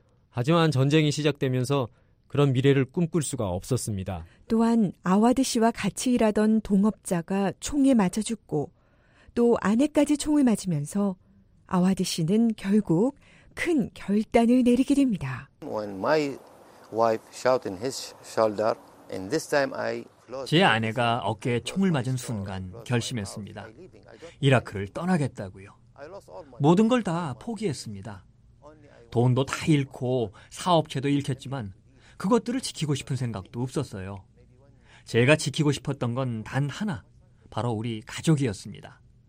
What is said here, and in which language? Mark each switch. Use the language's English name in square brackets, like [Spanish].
[Korean] 하지만 전쟁이 시작되면서 그런 미래를 꿈꿀 수가 없었습니다. 또한 아와드 씨와 같이 일하던 동업자가 총에 맞아 죽고 또 아내까지 총을 맞으면서 아와드 씨는 결국 큰 결단을 내리게 됩니다. [English] When my wife shot in his shoulder, and this time I [Korean] 제 아내가 어깨에 총을 맞은 순간 결심했습니다. 이라크를 떠나겠다고요. 모든 걸 다 포기했습니다. 돈도 다 잃고 사업체도 잃겠지만 그것들을 지키고 싶은 생각도 없었어요. 제가 지키고 싶었던 건 단 하나, 바로 우리 가족이었습니다.